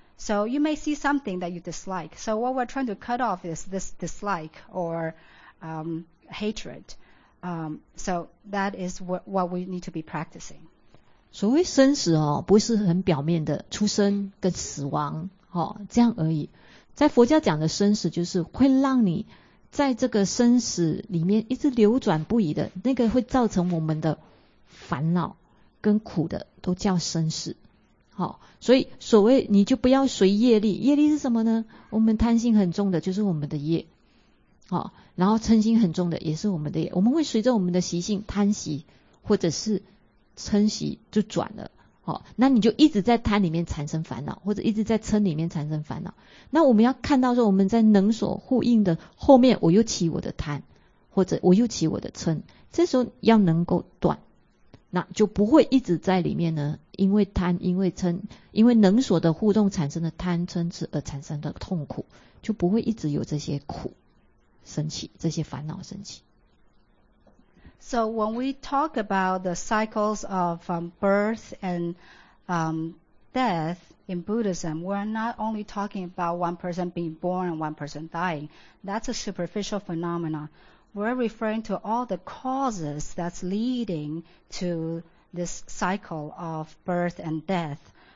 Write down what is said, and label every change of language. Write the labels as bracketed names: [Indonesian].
[English] So you may see something that you dislike. So what we're trying to cut off is this dislike or hatred. So that is what we need to be practicing. [Chinese] 所谓生死、哦、不是很表面的出生跟死亡、哦、这样而已。在佛教讲的生死，就是会让你在这个生死里面一直流转不已的那个，会造成我们的烦恼跟苦的都叫生死、哦、所以所谓你就不要随业力。业力是什么呢？我们贪心很重的就是我们的业、哦、然后嗔心很重的也是我们的业，我们会随着我们的习性贪习或者是嗔习就转了、哦、那你就一直在贪里面产生烦恼，或者一直在嗔里面产生烦恼，那我们要看到说我们在能所互应的后面，我又起我的贪，或者我又起我的嗔，这时候要能够断，那就不会一直在里面呢，因为贪因为嗔因为能所的互动产生的贪嗔痴而产生的痛苦，就不会一直有这些苦生起，这些烦恼生起。 [English] So when we talk about the cycles of birth and death in Buddhism, we're not only talking about one person being born and one person dying. That's a superficial phenomenon. We're referring to all the causes that's leading to this cycle of birth and death.